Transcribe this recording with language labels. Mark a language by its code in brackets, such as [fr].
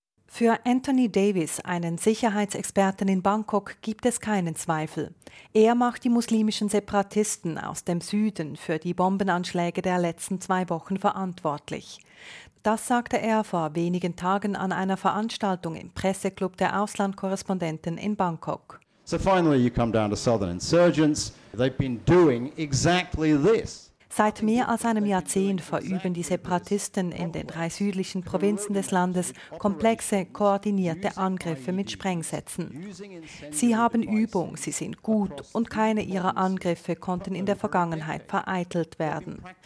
[de] Für Anthony Davis, einen Sicherheitsexperten in Bangkok, gibt es keinen Zweifel. Er macht die muslimischen Separatisten aus dem Süden für die Bombenanschläge der letzten 2 Wochen verantwortlich. Das sagte er vor wenigen Tagen an einer Veranstaltung im Presseclub der Auslandkorrespondenten in Bangkok. [en] So finally you come down to southern insurgents. They've been doing exactly this. [de] Seit mehr als einem Jahrzehnt verüben die Separatisten in den 3 südlichen Provinzen des Landes komplexe, koordinierte Angriffe mit Sprengsätzen. Sie haben Übung, sie sind gut und keine ihrer Angriffe konnten in der Vergangenheit vereitelt werden.